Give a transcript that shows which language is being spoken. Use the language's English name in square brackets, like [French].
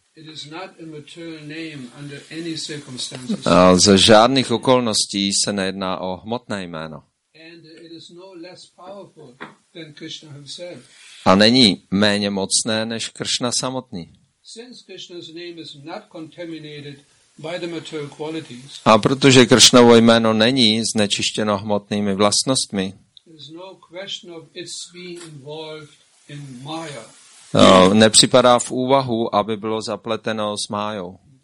[English] It is not a material name under any circumstances. [Czech] Ze žádných okolností se nejedná o hmotné jméno. [English] And it is no less powerful than Krishna himself. [Czech] A není méně mocné než Krishna samotný. [English] Since Krishna's name is not contaminated by the material qualities. [Czech] A protože Krishnovo jméno není znečištěno hmotnými vlastnostmi. [English] There is no question of its being involved in Maya. [Czech] Nepřipadá v úvahu, aby bylo zapleteno s Májou.